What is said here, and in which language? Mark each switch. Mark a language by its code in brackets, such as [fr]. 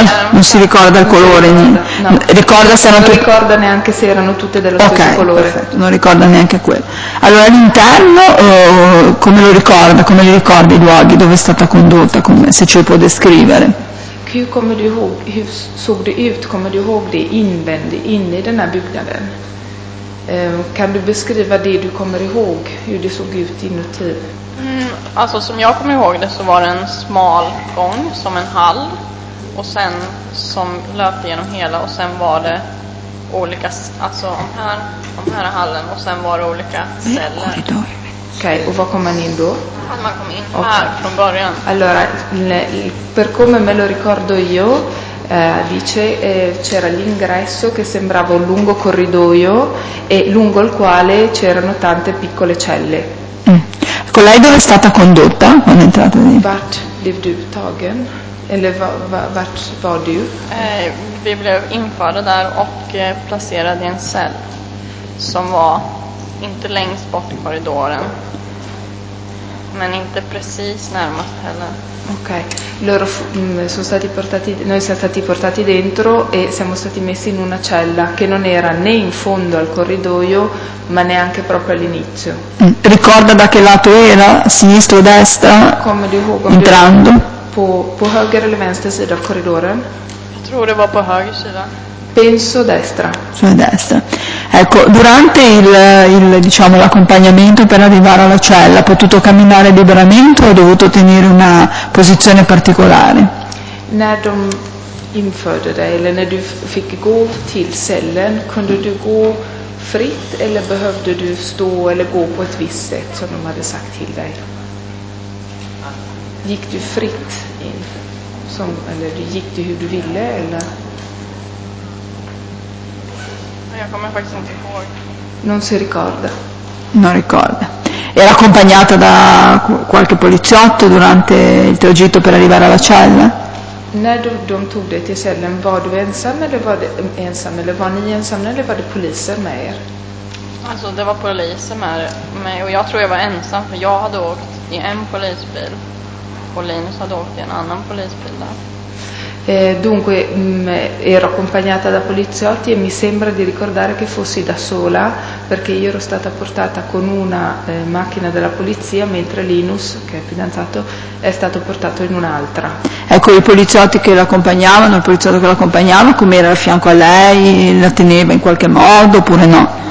[it] Non si ricorda il colore. Ricorda se erano tutti. Non ricorda neanche se erano tutte dello stesso colore. Perfetto. Non ricorda neanche quello. Allora l'interno come lo ricorda? Come li ricorda i luoghi dove è stata condotta? Come, se ce lo può descrivere? [sv] Hur kommer du ihåg, hur såg det ut? Kommer du ihåg det invändigt in i den här byggnaden? Kan du beskriva det du kommer ihåg, hur det såg ut inuti? Alltså som jag kommer ihåg det, så var det en smal gång som en hall och sen som löpte genom hela, och sen var det olika, alltså den här hallen, och sen var det olika celler. Okay, och var kom man in då? Man kom in här från början. [it] Allora, per come me lo ricordo io, dice, c'era l'ingresso che sembrava un lungo corridoio e lungo il quale c'erano tante piccole celle. Con lei dove è stata condotta quando è entrata lì? [sv] Vart blev du tagen? Eller vart var du? Vi blev införda där och placerade i en cell som var inte längst bort i korridoren. Men inte precis närmast heller. Okay. [it] Loro sono stati portati, noi siamo stati portati dentro e siamo stati messi in una cella che non era né in fondo al corridoio, ma neanche proprio all'inizio. Ricorda da che lato era? Sinistra o destra? Come di Hugo, entrando? [sv] På höger eller vänster sida av korridoren? Jag tror det var på höger sida. [it] Penso destra. Sulla destra. Ecco, durante diciamo, l'accompagnamento per arrivare alla cella, ha potuto camminare liberamente o ha dovuto tenere una posizione particolare? [sv] När de införde dig, eller när du fick gå till cellen, kunde du gå fritt eller behövde du stå eller gå på ett visst sätt som de hade sagt till dig? Gick du fritt in? Eller gick du hur du ville? Eller? Jag kommer faktiskt inte ihåg. [it] Non si ricorda. Non ricorda. Era accompagnata da qualche poliziotto durante il tragitto per arrivare alla cella? [sv] När de tog dig till cellen, var du ensam eller var det poliser med er? Alltså det var poliser med mig och jag tror jag var ensam, för jag hade åkt i en polisbil och Linus hade åkt i en annan polisbil där. [it] Dunque ero accompagnata da poliziotti e mi sembra di ricordare che fossi da sola, perché io ero stata portata con una macchina della polizia, mentre Linus, che è fidanzato, è stato portato in un'altra. Ecco, i poliziotti che l'accompagnavano, il poliziotto che l'accompagnava, com'era a fianco a lei, la teneva in qualche modo oppure no?